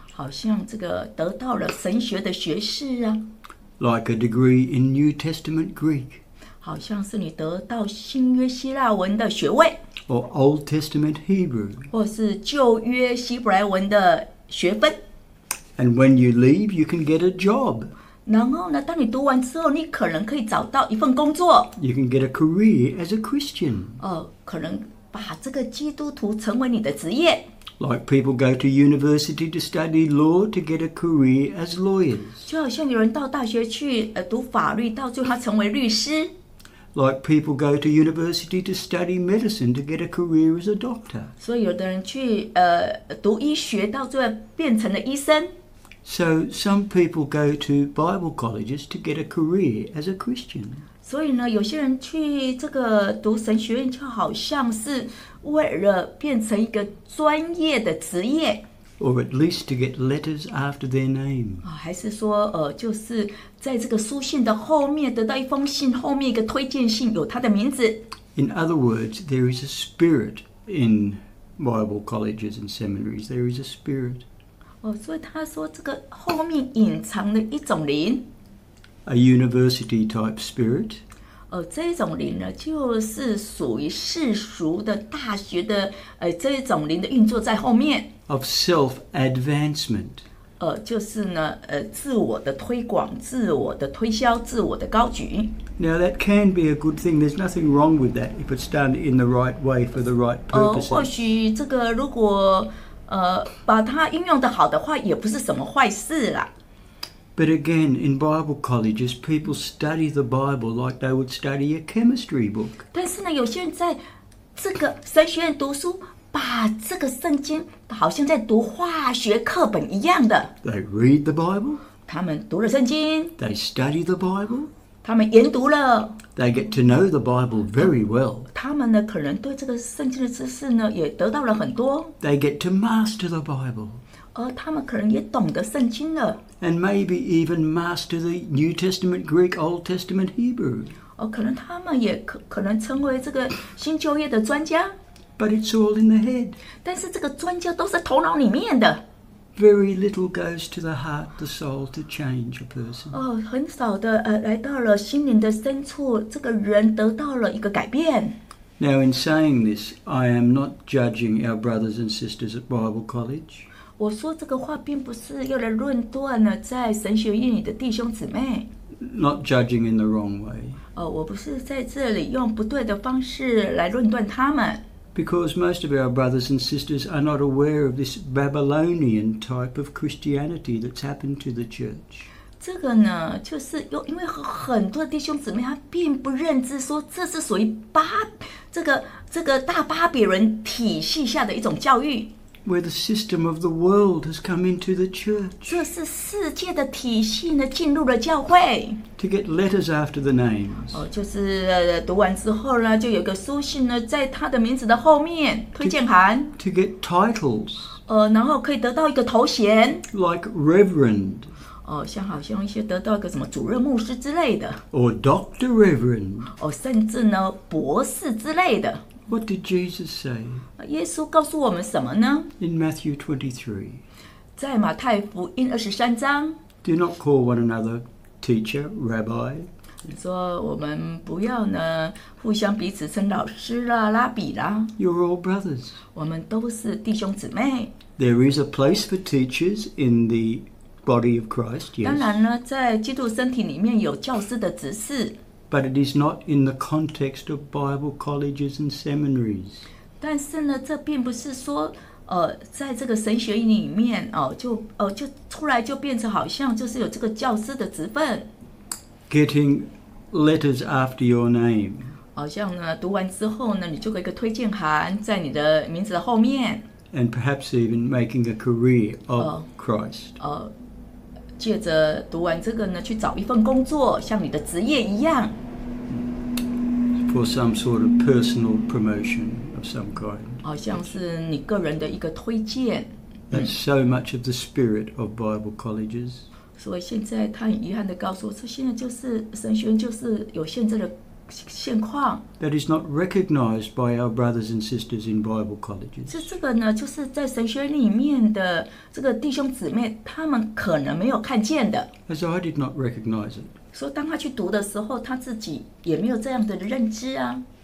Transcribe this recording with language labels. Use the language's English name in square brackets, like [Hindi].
[Chinese] 好像这个得到了神学的学士啊。 [English] Like a degree in New Testament Greek. [Chinese] 好像是你得到新约希腊文的学位。 [English] Or Old Testament Hebrew. [Chinese] 或是旧约希伯来文的学分。 [English] And when you leave, you can get a job. [Chinese] 然后呢，当你读完之后，你可能可以找到一份工作。 [English] You can get a career as a Christian. [Chinese] 可能把这个基督徒成为你的职业。 [English] Like people go to university to study law to get a career as lawyers. [Chinese] 就好像有人到大学去读法律，到最后他成为律师。 [English] Like people go to university to study medicine to get a career as a doctor. [Chinese] 所以有的人去读医学，到最后变成了医生。 [English] So some people go to Bible colleges to get a career as a Christian. [Chinese] 所以呢，有些人去这个读神学院，就好像是为了变成一个专业的职业。 [English] Or at least to get letters after their name. [Chinese] 还是说就是在这个书信的后面得到一封信，后面一个推荐信有他的名字。 [English] In other words, there is a spirit in Bible colleges and seminaries. There is a spirit. [Chinese] 所以他说这个后面隐藏了一种灵。 [English] A university type spirit. [Chinese] 这种灵呢，就是属于世俗的大学的这种灵的运作在后面。 [English] Of self-advancement. [Chinese] 就是呢自我的推广，自我的推销，自我的高举。 [English] Now that can be a good thing. There's nothing wrong with that if it's done in the right way for the right purposes. [Chinese] 或许这个如果把它运用的好的话，也不是什么坏事啦。 [English] But again, in Bible colleges, people study the Bible like they would study a chemistry book. [Chinese] 但是呢，有些人在这个神学院读书，把这个圣经好像在读化学课本一样的。 [English] They read the Bible. [Chinese] 他们读了圣经。 [English] They study the Bible. [Chinese] 他们研读了。 [English] They get to know the Bible very well. [Chinese] 他们呢，可能对这个圣经的知识呢，也得到了很多。 [English] They get to master the Bible. [Chinese] 他们可能也懂得圣经了。 [English] And maybe even master the New Testament Greek, Old Testament Hebrew. [Chinese] 可能他们也可能成为这个新旧约的专家。 [English] But it's all in the head. [Chinese] 但是这个专家都是头脑里面的。 [English] Very little goes to the heart, the soul, to change a person. [Chinese] 很少的来到了心灵的深处，这个人得到了一个改变。 [English] Now, in saying this, I am not judging our brothers and sisters at Bible College. [Chinese] 我说这个话并不是要来论断呢，在神学院里的弟兄姊妹。 [English] Not judging in the wrong way. [Chinese] 我不是在这里用不对的方式来论断他们。 [English] Because most of our brothers and sisters are not aware of this Babylonian type of Christianity that's happened to the church. [Chinese] 这个呢，就是因为很多弟兄姊妹他并不认知说这是属于这个大巴比伦体系下的一种教育。 [English] Where the system of the world has come into the church. [Chinese] 这是世界的体系呢，进入了教会。 [English] To get letters after the names. [Chinese] 就是读完之后呢，就有个书信呢，在他的名字的后面推荐函。 [English] To get titles. [Chinese] 然后可以得到一个头衔。 [English] Like reverend. [Chinese] 像好像一些得到一个什么主任牧师之类的。 [English] Or doctor reverend. [Chinese] 甚至呢，博士之类的。 [English] What did Jesus say? [Chinese] 耶稣告诉我们什么呢? [English] In Matthew 23. [Chinese] 在马太福音二十三章。 [English] Do not call one another teacher, rabbi. [Chinese] 说我们不要呢，互相彼此称老师啦，拉比啦。 [English] You're all brothers. [Chinese] 我们都是弟兄姊妹。 [English] There is a place for teachers in the body of Christ. Yes. [Chinese] 当然呢，在基督身体里面有教师的职事。 [English] But it is not in the context of Bible colleges and seminaries. [Chinese] 但是呢，这并不是说，在这个神学里面，就出来就变成好像就是有这个教师的职分。 [English] Getting letters after your name. [Chinese] 好像呢，读完之后呢，你就有一个推荐函在你的名字的后面。 [English] And perhaps even making a career of Christ. [Chinese] 借着读完这个呢，去找一份工作，像你的职业一样。 [English] For some sort of personal promotion of some kind. [Chinese] 好像是你个人的一个推荐。 [English] That's so much of the spirit of Bible colleges. [Chinese] 所以现在他很遗憾地告诉我说，现在就是神学院就是有现在的现况。 [English] That is not recognized by our brothers and sisters in Bible colleges. [Chinese] 这个呢，就是在神学里面的这个弟兄姊妹，他们可能没有看见的。 [English] As I did not recognize it. [Chinese] 说当他去读的时候，他自己也没有这样的认知啊。